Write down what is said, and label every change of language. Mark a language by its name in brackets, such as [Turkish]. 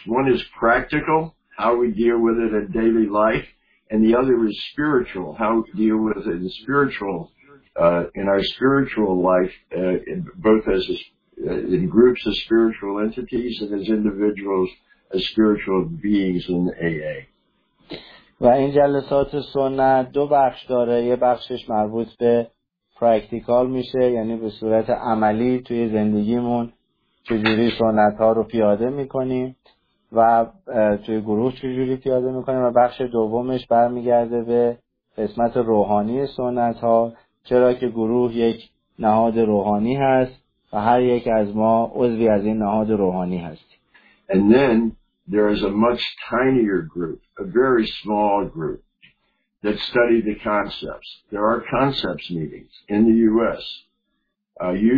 [English] One is practical, how we deal with it in daily life. And the other is spiritual, how we deal with it in our spiritual life, both as in groups of spiritual entities and as individuals, as spiritual beings in AA. [Persian] و این جلسات سنت دو بخش داره. یه بخشش مربوط به پرکتیکال میشه، یعنی به صورت عملی توی زندگیمون چجوری سنت ها رو پیاده میکنیم و توی گروه چجوری پیاده میکنیم، و بخش دومش برمیگرده به قسمت روحانی سنت ها، چرا که گروه یک نهاد روحانی هست و هر یک از ما عضوی از این نهاد روحانی هستیم. [English] And then there is a much tinier group, a very small group, that study the concepts. There are concepts meetings in the U.S.